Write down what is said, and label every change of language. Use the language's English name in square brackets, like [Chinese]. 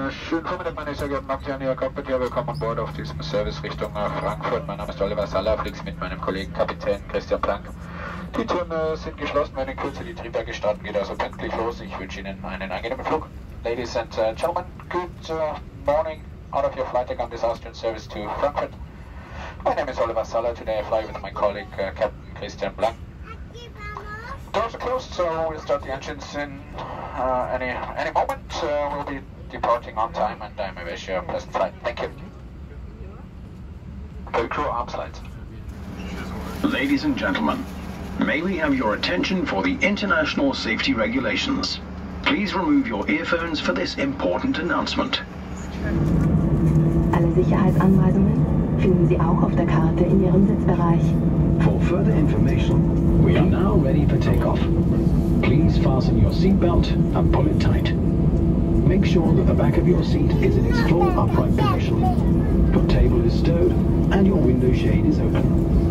[German] Willkommen an Bord auf diesem Service Richtung Frankfurt. Mein Name ist Oliver Saller, fliegt mit meinem Kollegen Kapitän Christian Plank. Die Türen sind geschlossen, wir werden in Kürze die Triebwerke starten, geht also pünktlich los. Ich wünsche Ihnen einen angenehmen Flug. [English] Ladies and gentlemen, good morning. Out of your flight deck on this Austrian service to Frankfurt. My name is Oliver Saller. Today I fly with my colleague Captain Christian Plank. Doors are closed, so we'll start the engines in any moment. We'll be departing on time and I wish you a pleasant flight. Thank you. Go crew arms lights. Ladies and gentlemen, may we have your attention for the international safety regulations. Please remove your earphones for this important announcement. [German] Alle Sicherheitsanweisungen finden Sie auch auf der Karte in Ihrem Sitzbereich. [English] For further information, we are now ready for takeoff. Please fasten your seatbelt and pull it tight. Make sure that the back of your seat is in its full upright position. Your table is stowed and your window shade is open.